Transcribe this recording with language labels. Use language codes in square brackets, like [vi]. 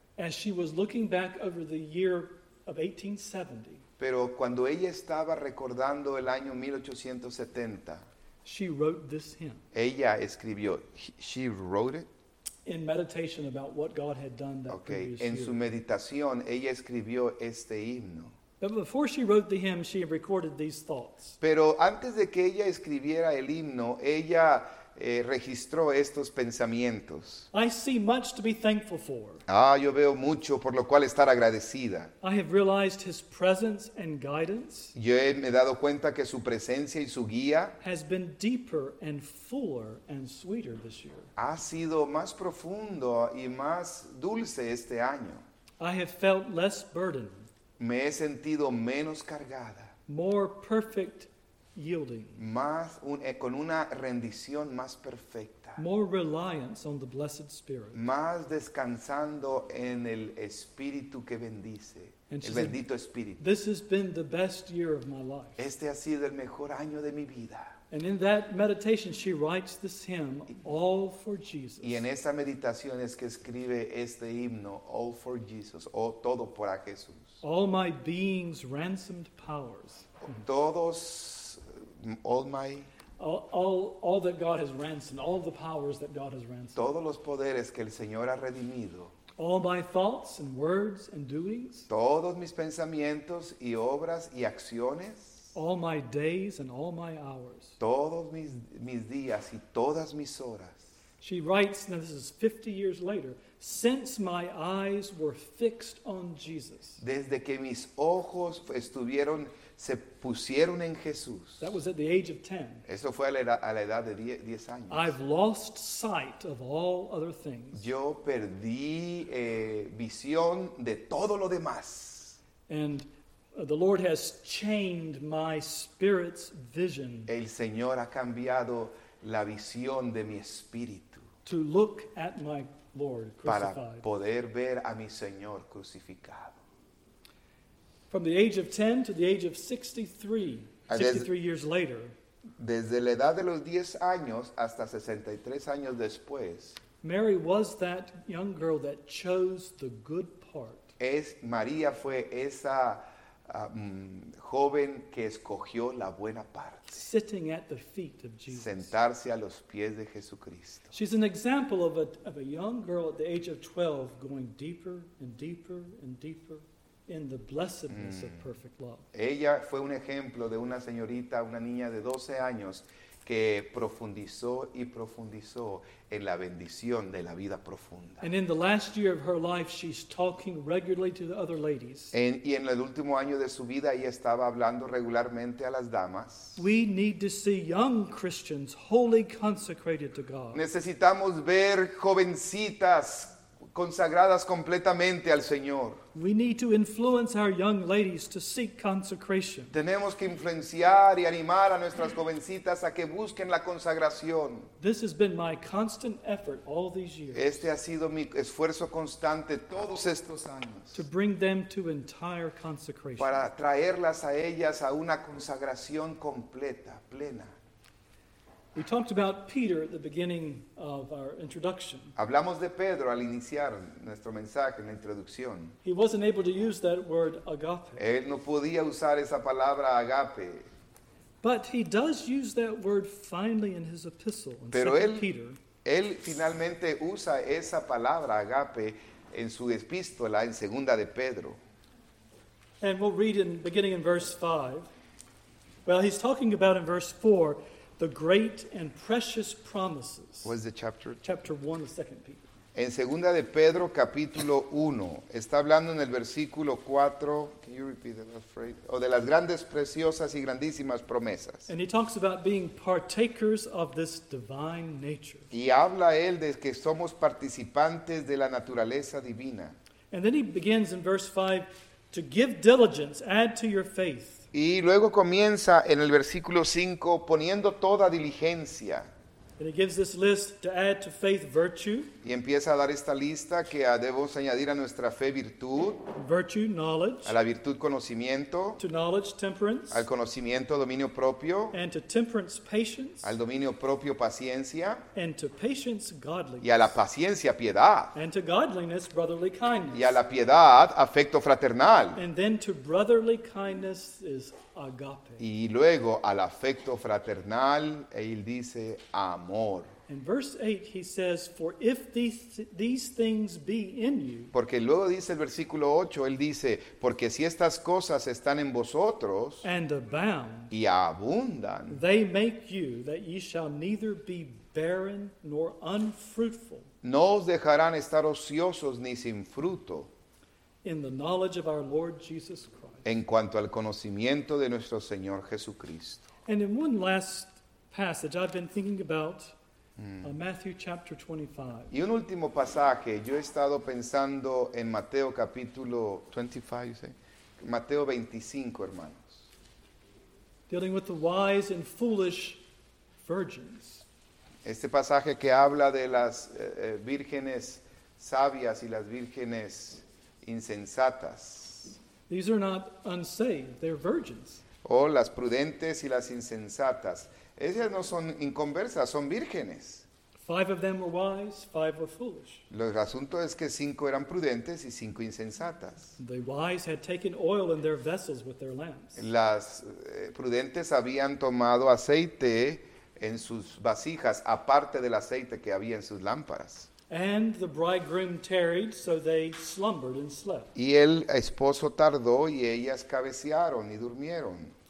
[en] as she was looking back over the year of 1870, [es] pero cuando ella estaba recordando el año 1870, [en] she wrote this hymn. [es] Ella escribió, [en] she wrote it? In meditation about what God had done that okay. previous [es] en [en] year. [es] En su meditación, ella escribió este himno. [en] But before she wrote the hymn, she recorded these thoughts. [es] Pero antes de que ella escribiera el himno, ella registró estos pensamientos. [en] I see much to be thankful for. [es] Ah, yo veo mucho por lo cual estar agradecida. [en] I have realized his presence and guidance. [es] Yo he, me he dado cuenta que su presencia y su guía [en] has been deeper and fuller and sweeter this year. [es] Ha sido más profundo y más dulce este año. [en] I have felt less burdened. [es] Me he sentido menos cargada. [en] More perfect yielding. [es] Más un, con una rendición más perfecta. [en] More reliance on the blessed Spirit. [es] Más descansando en el Espíritu que bendice. [en] And [es] el bendito Espíritu. [en] This has been the best year of my life. [es] Este ha sido el mejor año de mi vida. [en] And in that meditation she writes this hymn, All for Jesus. [es] Y en esa meditación es que escribe este himno, All for Jesus, o todo para Jesús. [en] All my being's ransomed powers. [es] Todos, [en] all my... All that God has ransomed, all the powers that God has ransomed. [es] Todos los poderes que el Señor ha redimido. [en] All my thoughts and words and doings. [es] Todos mis pensamientos y obras y acciones. [en] All my days and all my hours. [es] Todos mis días y todas mis horas. [en] She writes, now this is 50 years later, since my eyes were fixed on Jesus. [es] Desde que mis ojos estuvieron, se pusieron en Jesús. [en] That was at the age of 10. [es] Eso fue a la edad de 10 años. [en] I've lost sight of all other things. [es] Yo perdí visión de todo lo demás. [en] And the Lord has chained my spirit's vision. [es] El Señor ha cambiado la visión de mi espíritu. [en] To look at my Lord crucified. [es] Para poder ver a mi Señor crucificado. [en] From the age of 10 to the age of 63 years later. [es] Desde la edad de los 10 años hasta 63 años después. [en] Mary was that young girl that chose the good part. [es] María fue esa joven que escogió la buena parte. [en] Sitting at the feet of Jesus. [es] Sentarse a los pies de Jesucristo. [en] She's an example of a young girl at the age of 12 going deeper and deeper and deeper in the blessedness of perfect love. [es] Ella fue un ejemplo de una señorita, una niña de 12 años que profundizó y profundizó en la bendición de la vida profunda. [en] And in the last year of her life, she's talking regularly to the other ladies. [es] Y en el último año de su vida, ella estaba hablando regularmente a las damas. [en] We need to see young Christians wholly consecrated to God. [es] Necesitamos ver jovencitas consagradas completamente al Señor. [en] We need to influence our young ladies to seek consecration. [es] Tenemos que influenciar y animar a nuestras jovencitas a que busquen la consagración. [en] This has been my constant effort all these years. [es] Este ha sido mi esfuerzo constante todos estos años. [en] To bring them to entire consecration. [es] Para traerlas a ellas a una consagración completa, plena. [en] We talked about Peter at the beginning of our introduction. [es] Hablamos de Pedro al iniciar nuestro mensaje, en la introducción. [en] He wasn't able to use that word agape. [es] Él no podía usar esa palabra agape. [en] But he does use that word finally in his epistle, in 2 Peter. [es] Él finalmente usa esa palabra agape en su epístola, en 2 Pedro. [en] And we'll read in beginning in verse 5. Well, he's talking about in verse 4... the great and precious promises. What is the chapter? Chapter 1 of 2 Peter. [es] En 2 de Pedro, capítulo 1, está hablando en el versículo 4. [en] Can you repeat that phrase? [es] Oh, de las grandes, preciosas y grandísimas promesas. [en] And he talks about being partakers of this divine nature. [es] Y habla él de que somos participantes de la naturaleza divina. [en] And then he begins in verse 5, to give diligence, add to your faith. [es] Y luego comienza en el versículo 5 poniendo toda diligencia. [en] And he gives this list to add to faith virtue. [es] Y empieza a dar esta lista que debemos añadir a nuestra fe virtud. [en] Virtue, knowledge. [es] A la virtud, conocimiento. [en] To knowledge, temperance. [es] Al conocimiento, dominio propio. [en] And to temperance, patience. [es] Al dominio propio, paciencia. [en] And to patience, godliness. [es] Y a la paciencia, piedad. [en] And to godliness, brotherly kindness. [es] Y a la piedad, afecto fraternal. [en] And then to brotherly kindness is agape. [es] Y luego al afecto fraternal, él dice amor. [en] In verse 8 he says, for if these things be in you. [es] Porque luego dice el versículo 8, él dice, porque si estas cosas están en vosotros. [en] And abound. [es] Y abundan. [en] They make you that ye shall neither be barren nor unfruitful. [es] No os dejarán estar ociosos ni sin fruto. [en] In the knowledge of our Lord Jesus Christ. [es] En cuanto al conocimiento de nuestro Señor Jesucristo. [en] And in one last passage I've been thinking about. Matthew chapter 25. [es] Y un último pasaje, yo he estado pensando en Mateo capítulo 25, Mateo 25, hermanos. [en] Dealing with the wise and foolish virgins. [es] Este pasaje que habla de las vírgenes sabias y las vírgenes insensatas. [en] These are not unsaved, they're virgins. [es] Oh, las prudentes y las insensatas. Ellas no son inconversas, son vírgenes. [en] Five of them were wise, five were foolish. [es] El asunto es que cinco eran prudentes y cinco insensatas. [en] The wise had taken oil in their vessels with their lamps. [es] Las prudentes habían tomado aceite en sus vasijas, aparte del aceite que había en sus lámparas. [en] And the bridegroom tarried, so they slumbered and slept. [es] Y el esposo tardó y ellas cabecearon y durmieron.